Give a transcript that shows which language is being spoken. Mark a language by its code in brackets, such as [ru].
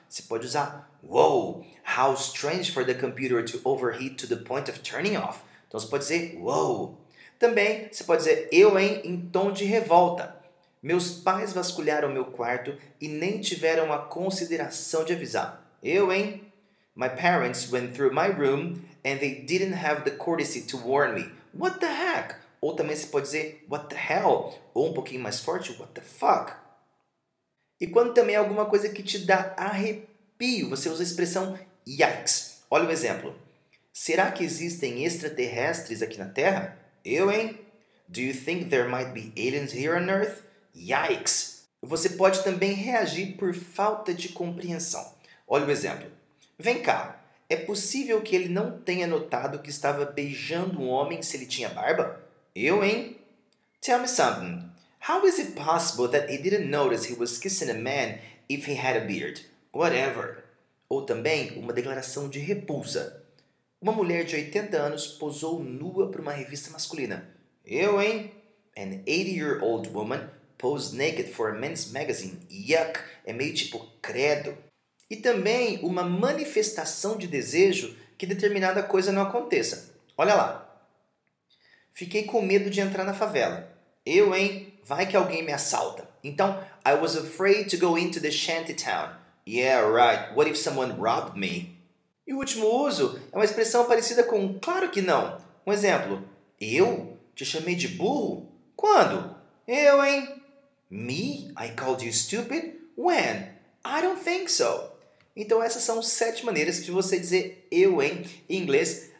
[pt] Você pode usar [en] wow, how strange for the computer to overheat to the point of turning off. [pt] Então você pode dizer wow. Também você pode dizer eu, hein? Em tom de revolta. Meus pais vasculharam meu quarto e nem tiveram a consideração de avisar. Eu, hein? [en] My parents went through my room and they didn't have the courtesy to warn me. What the heck? [pt] Ou também você pode dizer, [en] what the hell? [pt] Ou um pouquinho mais forte, [en] what the fuck? [pt] E quando também é alguma coisa que te dá arrepio, você usa a expressão yikes. Olha o exemplo. Será que existem extraterrestres aqui na Terra? Eu, hein? [en] Do you think there might be aliens here on Earth? Yikes! [pt] Você pode também reagir por falta de compreensão. Olha o exemplo. Vem cá. É possível que ele não tenha notado que estava beijando um homem se ele tinha barba? Eu, hein? [en] Tell me something. How is it possible that he didn't notice he was kissing a man if he had a beard? Whatever. [pt] Ou também uma declaração de repulsa. Uma mulher de 80 anos posou nua para uma revista masculina. Eu, hein? [en] An 80-year-old woman posed naked for a men's magazine. [pt] Yuck! É meio tipo credo. E também uma manifestação de desejo que determinada coisa não aconteça. Olha lá. Fiquei com medo de entrar na favela. Eu, hein? Vai que alguém me assalta. [en] Então, I was afraid to go into the shanty town. Yeah, right. What if someone robbed me? [pt] E o último uso é uma expressão parecida com claro que não. Um exemplo. Eu? Te chamei de burro? Quando? Eu, hein? Me? [en] I called you stupid? When? I don't think so. [pt] Então, essas são 7 maneiras de você dizer eu, hein? Em inglês.